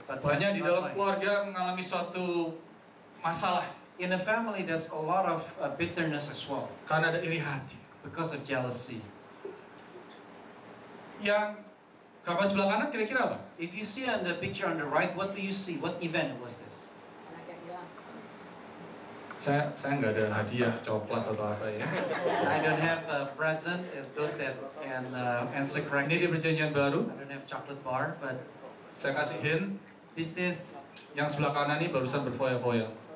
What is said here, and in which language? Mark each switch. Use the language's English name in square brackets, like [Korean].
[Indonesian] But banyak di dalam keluarga mengalami suatu masalah. [English] In a family there's a lot of bitterness as well. [Indonesian] Karena ada iri hati. [English] Because of jealousy. [Indonesian] Yang gambar sebelah kanan kira-kira apa? [English] If you see on the picture on the right, what do you see? What event was this? [Indonesian] Saya enggak ada hadiah coklat atau apa ya. [English] I don't have a present if those that can answer correctly. [Indonesian] Ini perjanjian baru. [English] I don't have chocolate bar, but [Indonesian] saya kasih hint. [English] This is [Indonesian] yang sebelah kanan ini barusan berfoya-foya.